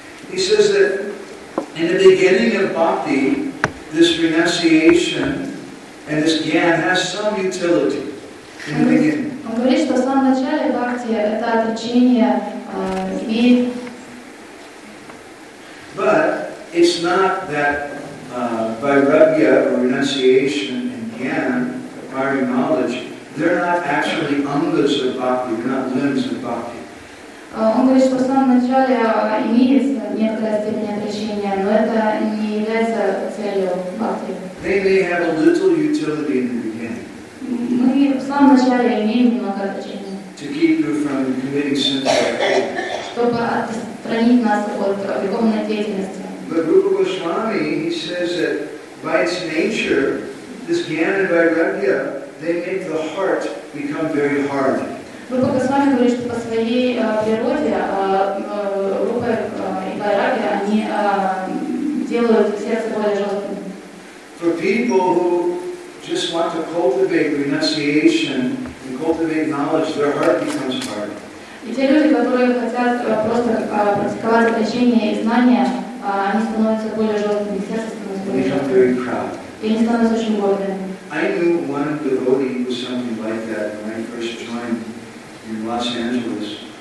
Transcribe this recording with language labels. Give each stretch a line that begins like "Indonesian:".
English: He says that in the beginning of bhakti, this renunciation and this gyan has some utility in the beginning.
Russian: Он говорит, что в самом начале бхакти это отречение и.
English: But it's not that vairagya or renunciation and gyan, acquiring knowledge, they're not actually angas of bhakti, they're not limbs of bhakti.
Russian: Он говорит, что в самом начале имеется некоторая степень отречения, но это не является целью бхакти.
English: They may have a little utility in the beginning.
Russian: Мы в самом начале имеем много отречения.
English: To keep you from committing sins.
Russian: Чтобы отстранить нас от греховной деятельности.
English: But Rupa Goswami, he says that by its nature, this jnana and vairagya, they make the heart become very hard.
Russian: Rupa Goswami говорит, что по своей природе рупа и вайрагья, они делают сердце более жестким.
English: For people who just want to cultivate renunciation and cultivate knowledge, their heart becomes hard.
Russian: И те люди, которые хотят просто практиковать отречение и знания, они становятся более жесткими, сердце становится более жестким.
English: They become very proud.
Russian: И они становятся очень гордыми.
English: I knew one devotee was something like that when I first joined in Los Angeles.